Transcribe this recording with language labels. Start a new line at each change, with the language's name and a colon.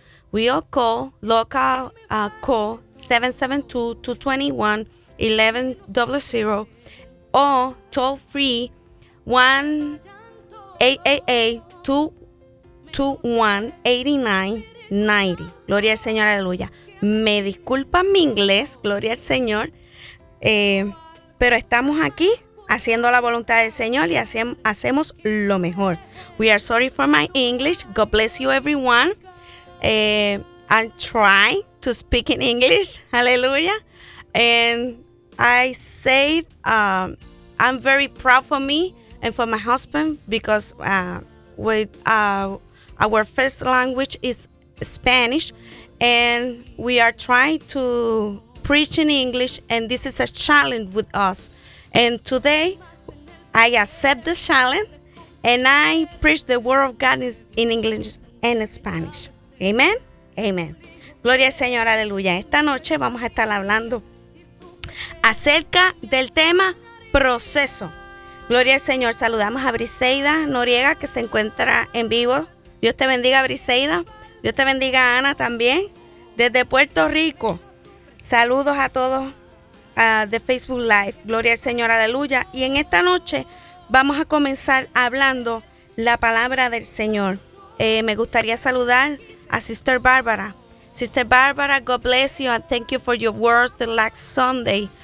English: We all call, local call 772-221-1100 or toll free 1-888-221-8990.
Spanish: Gloria al Señor, aleluya. Me disculpan mi inglés, gloria al Señor, pero estamos aquí haciendo la voluntad del Señor y hacemos lo mejor.
English: We are sorry for my English. God bless you, everyone. I try to speak in English, hallelujah, and I say I'm very proud for me and for my husband because our first language is Spanish, and we are trying to preach in English, and this is a challenge with us, and today I accept the challenge, and I preach the word of God in English and Spanish.
Spanish: Amén, amén. Gloria al Señor, aleluya. Esta noche vamos a estar hablando acerca del tema proceso. Gloria al Señor, saludamos a Briseida Noriega que se encuentra en vivo. Dios te bendiga, Briseida. Dios te bendiga, Ana, también. Desde Puerto Rico, saludos a todos de Facebook Live. Gloria al Señor, aleluya. Y en esta noche vamos a comenzar hablando la palabra del Señor. Me gustaría saludar a
English: Sister Barbara. Sister Barbara, God bless you and thank you for your words the last Sunday.